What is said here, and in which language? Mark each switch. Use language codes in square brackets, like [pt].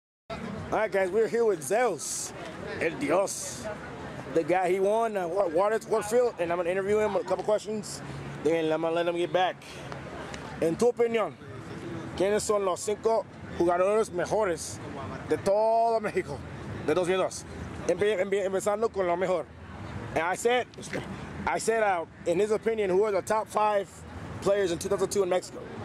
[en] All right, guys, we're here with Zeus, El Dios, the guy he won at WarField, and I'm going to interview him with a couple questions, then I'm going to let him get back. [es] En tu opinión, ¿quiénes son los cinco jugadores mejores de todo México, de 2002? Empezando con lo mejor. [en] And I said, in his opinion, who are the top five players in 2002 in Mexico?